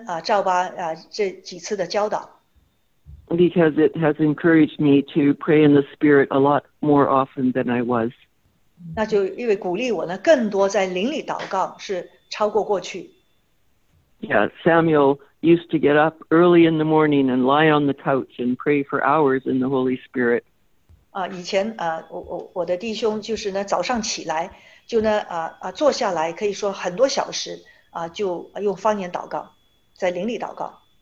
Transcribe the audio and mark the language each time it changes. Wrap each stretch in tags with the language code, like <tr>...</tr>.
<zh>非常的感恩赵巴这几次的教导。</zh> <en>Because it has encouraged me to pray in the Spirit a lot more often than I was.</en> <zh>那就因为鼓励我呢，更多在灵里祷告，是超过过去。</zh> <en>Yeah, Samuel used to get up early in the morning and lie on the couch and pray for hours in the Holy Spirit.</en> <zh>以前我的弟兄就是呢，早上起来就呢坐下来，可以说很多小时，就用方言祷告，在灵里祷告。</zh>